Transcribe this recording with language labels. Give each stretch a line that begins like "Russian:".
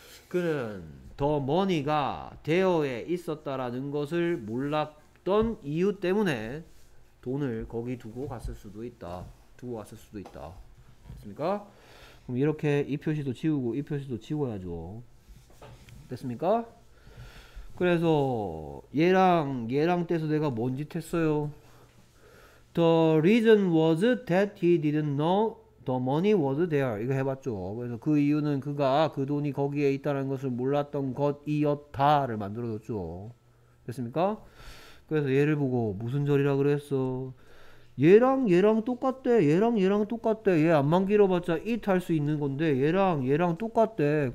Korean: 그는 더 머니가 대여에 있었다라는 것을 몰랐던 이유 때문에 돈을 거기 두고 갔을 수도 있다. 두고 갔을 수도 있다. 됐습니까? 그럼 이렇게 이 표시도 지우고 이 표시도 지워야죠. 됐습니까? 그래서 얘랑 떼서 내가 뭔 짓 했어요?
English: The reason was that he didn't know the money was there.
Korean: 이거 해봤죠. 그래서 그 이유는 그가 그 돈이 거기에 있다는 것을 몰랐던 것이었다를 만들어줬죠. 됐습니까? 그래서 얘를 보고 무슨 절이라 그랬어? 얘랑 똑같대. 얘랑 똑같대. 얘 앞만 길어봤자 it 할 수 있는 건데 얘랑 똑같대.